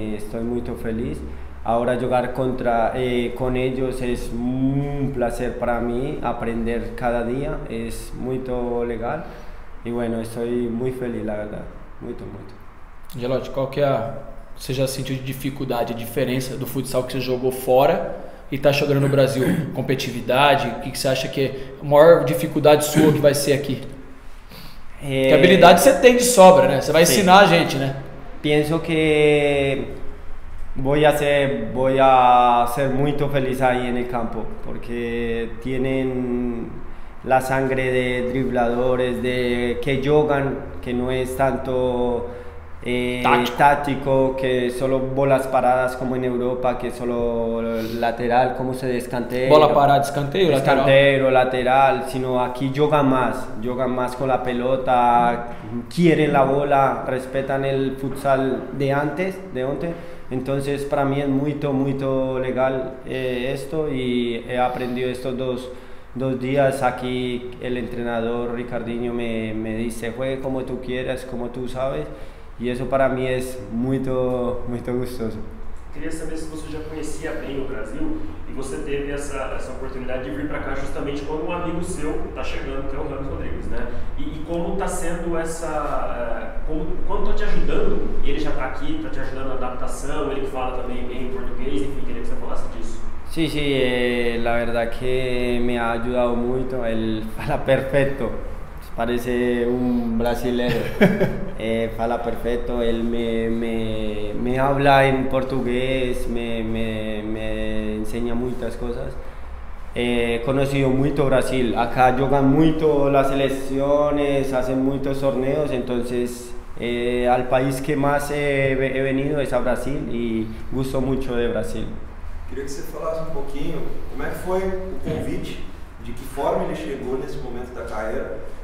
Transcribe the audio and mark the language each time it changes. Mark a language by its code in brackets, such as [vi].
[es] Estoy muy feliz. Ahora jugar con ellos es un placer para mí, aprender cada día, es muy legal y bueno, estoy muy feliz, la verdad, muy. [pt] Gelotti, qual que é a, você já sentiu de dificuldade, a diferença do futsal que você jogou fora e está jogando no Brasil? Competitividade, o que, que você acha que é a maior dificuldade sua que vai ser aqui? Que habilidade você tem de sobra, né? Você vai ensinar a gente, né? Penso que... [es] Voy a ser muy feliz ahí en el campo, porque tienen la sangre de dribladores, de que juegan, que no es tanto táctico, que solo bolas paradas como en Europa, que solo lateral, como se descanteo. Bola parada, descanteo, lateral. Descanteo, lateral, sino aquí juegan más con la pelota, quieren la bola, respetan el futsal de antes. Entonces para mí es muy legal esto y he aprendido estos dos días aquí. El entrenador Ricardinho me dice, juegue como tú quieras, como tú sabes, y eso para mí es muy gustoso. [pt] Queria saber se você já conhecia bem o Brasil e você teve essa oportunidade de vir para cá justamente quando um amigo seu está chegando, que é o Ramos Rodrigues, né? E como está sendo essa... Quanto está te ajudando? Ele já está aqui, está te ajudando na adaptação, ele que fala também bem português, enfim, queria que você falasse disso. Sim, sim, a verdade que me ha ajudado muito, ele fala perfeito. [es] Parece un brasileño, habla perfecto, él me habla en portugués, me enseña muchas cosas. He conocido mucho Brasil, acá juegan mucho las selecciones, hacen muchos torneos, entonces al país que más he venido es a Brasil y gusto mucho de Brasil. Quería que [pt] você falasse [es] un poquito, ¿cómo fue el convite? [pt] De que forma ele chegou nesse momento da carreira?